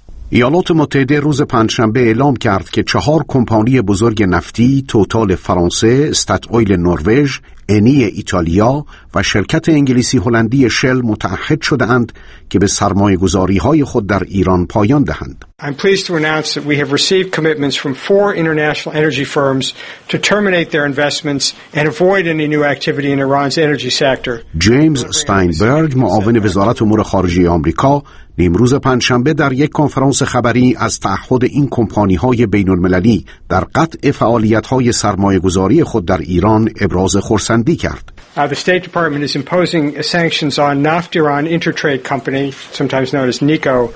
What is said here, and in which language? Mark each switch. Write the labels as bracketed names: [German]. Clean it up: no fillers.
[Persian] ایالات متحده روز پنجشنبه اعلام کرد که 4 کمپانی بزرگ نفتی، توتال فرانسه، استاتویل نروژ، انی ایتالیا و شرکت انگلیسی هلندی شل متعهد شده اند که به سرمایه گذاری های خود در ایران پایان دهند. [English] I'm pleased to announce that we have received commitments from 4 international energy firms to terminate their investments and avoid any new activity in Iran's energy sector. [Persian] جیمز استاینبرگ، معاون وزارت امور خارجه آمریکا، نیمروز پنجشنبه در یک کنفرانس خبری از تعهد این کمپانی های بین المللی در قطع فعالیت های سرمایه گذاری خود در ایران ابراز خرسندی کرد. [English] The State Department is imposing sanctions on Naftiran Intertrade Company, sometimes known as NICO.